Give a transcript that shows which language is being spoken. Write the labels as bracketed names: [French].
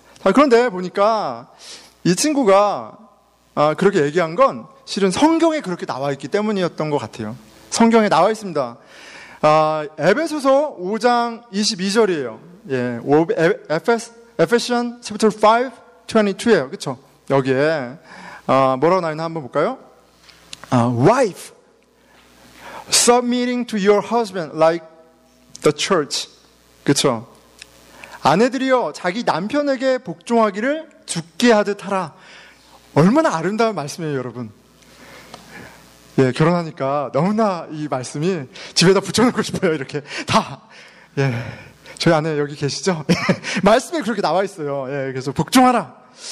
[Korean] 자, 그런데 보니까 이 친구가 그렇게 얘기한 건 실은 성경에 그렇게 나와 있기 때문이었던 것 같아요. 성경에 나와 있습니다. 에베소서 5장 22절이에요. 예, 에베소서 chapter 5:22예요, 그렇죠? 여기에 뭐라고 나 있나 한번 볼까요? [English] Wife. Submitting to your husband like the church. [Korean] 그쵸? 아내들이여 자기 남편에게 복종하기를 주께 하듯 하라. 얼마나 아름다운 말씀이에요, 여러분. 예, 결혼하니까 너무나 이 말씀이 집에다 붙여놓고 싶어요, 이렇게. 다. 예. 저희 아내 여기 계시죠? 말씀에 그렇게 나와 있어요. 예, 그래서 복종하라.